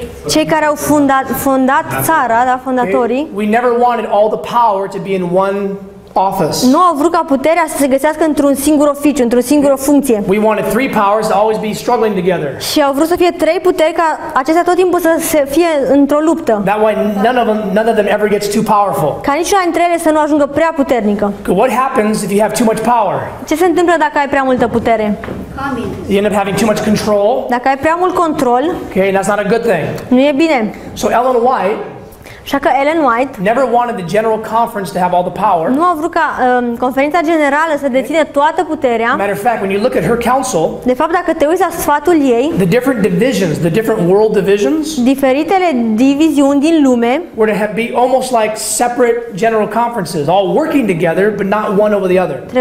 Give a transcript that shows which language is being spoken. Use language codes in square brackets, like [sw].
[ro] Cei care au fundat țara, da, fondatorii. [en] Okay, we never wanted all the power to be in one office. [ro] Nu au vrut ca puterea să se găsească într-un singur oficiu, într-o singură funcție. [en] We wanted 3 powers to always be struggling together. [ro] Și au vrut să fie 3 puteri ca acestea tot timpul să se fie într-o luptă. [en] That way none of them ever gets too powerful. [ro] Ca niciuna dintre ele să nu ajungă prea puternică. [en] What happens if you have too much power? [ro] Ce se întâmplă dacă ai prea multă putere? [en] You end up having too much control. [ro] Dacă ai prea mult control. [en] Okay, that's not a good thing. [ro] Nu e bine. [en] So Ellen White. [ro] Așa că Ellen White [en] never wanted the general conference to have all the power. [ro] Nu a vrut ca conferința generală să deține toată puterea. [en] Matter of fact, when you look at her counsel, [ro] de fapt, dacă te uiți la sfatul ei, [en] the different divisions, the different world divisions, [ro] diferitele diviziuni din lume, [en] were to be almost like separate general conferences, all working together, but not one over the other.